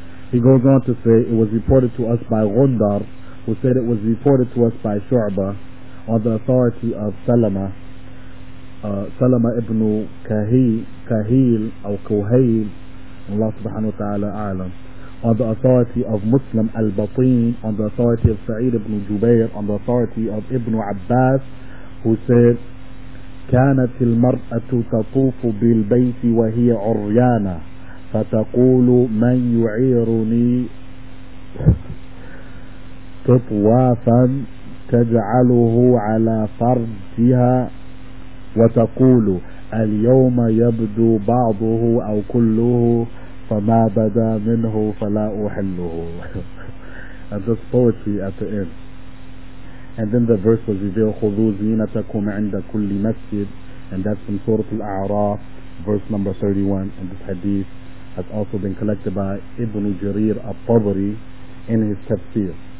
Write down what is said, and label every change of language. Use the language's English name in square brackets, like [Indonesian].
[English] He goes on to say, it was reported to us by Gundar, who said it was reported to us by Shu'bah on the authority of Salama, Salama ibn Kahil or Kuhayl, Allah subhanahu wa ta'ala a'lam, on the authority of Muslim al-Batin, on the authority of Sa'id ibn Jubayr, on the authority of Ibn Abbas, who said [Arabic] كانت المرأة تطوف بالبيت وهي عريانة فتقول من يعيرني تطوافا تجعله على فرجها وتقول اليوم يبدو بعضه أو كله فما بدا منه فلا أحله. [English] And this poetry at the end. And then the verse was revealed, [Arabic] خُذُوا زِينَتَكُمْ عِنْدَ كُلِّ مَسْجِدٍ. [English] And that's from Surah Al-A'raf, verse number 31. And this hadith has also been collected by Ibn Jarir al-Tabri in his tafsir.